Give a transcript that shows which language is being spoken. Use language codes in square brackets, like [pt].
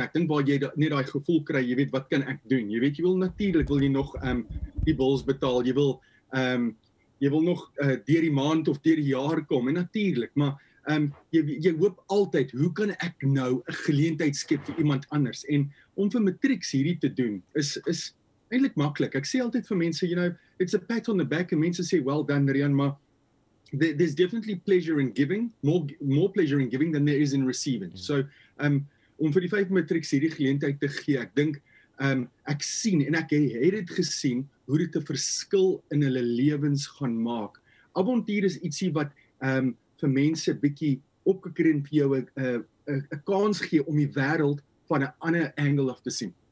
[af] Ek dink waar jy net daai gevoel kry, jy weet wat kan ek doen? Jy weet jy wil natuurlik wil jy nog die bills betaal. Jy wil nog deur die maand of deur die jaar kom en natuurlik, maar jy hoop altyd hoe kan ek nou 'n geleentheid skep vir iemand anders? En om vir matriek hierdie te doen is eintlik maklik. Ek sê altyd vir mense, [en] you know, it's a pat on the back [af] en mense sê [en] well done Rian, [af] maar [en] there's definitely pleasure in giving, more pleasure in giving than there is in receiving. [af] So om vir die vyf matriks hierdie geleentheid te gee, ek dink ek sien en ek het dit gesien hoe dit 'n verskil in hulle lewens gaan maak. Avontuur is ietsie wat vir mense bietjie opkikker en vir jou 'n kans gee om die wêreld van 'n ander angle af te sien.